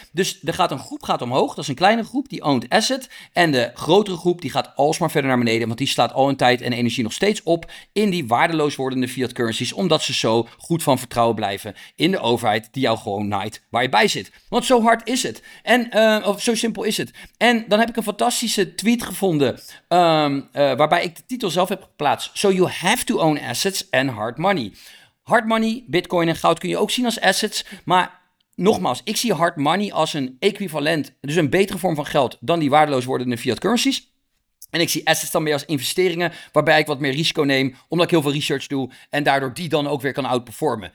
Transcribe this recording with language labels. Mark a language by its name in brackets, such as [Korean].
[Dutch] Dus er gaat een groep gaat omhoog, dat is een kleine groep, die owned asset. En de grotere groep die gaat alsmaar verder naar beneden, want die slaat al hun tijd en energie nog steeds op in die waardeloos wordende fiat currencies, omdat ze zo goed van vertrouwen blijven in de overheid die jou gewoon naait waar je bij zit. Want zo hard is het. Zo simpel is het. En dan heb ik een fantastische tweet gevonden waarbij ik de titel zelf heb geplaatst. [English] So you have to own assets and hard money. [Dutch] Hard money, Bitcoin en goud kun je ook zien als assets. Maar nogmaals, ik zie hard money als een equivalent, dus een betere vorm van geld dan die waardeloos wordende fiat currencies. En ik zie assets dan meer als investeringen waarbij ik wat meer risico neem, omdat ik heel veel research doe en daardoor die dan ook weer kan outperformen.